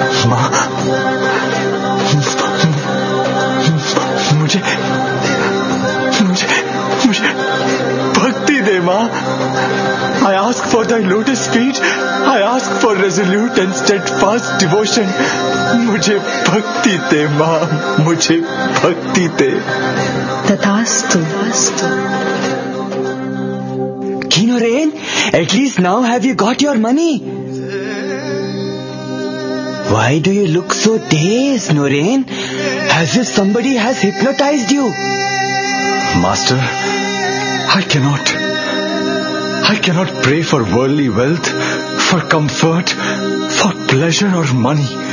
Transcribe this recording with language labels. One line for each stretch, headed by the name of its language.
Hindi: Maa. Mujhe bhakti de, Maa.
English: I ask for thy lotus feet. I ask for resolute and steadfast devotion.
Hindi: मुझे भक्ति दे मां, मुझे भक्ति दे। तथास्तु।
English: किनोरेन, at least now have you got your money? Why do you look so dazed, Noreen? As if somebody has hypnotized you. Master, I cannot pray for worldly wealth, for comfort, for pleasure or money.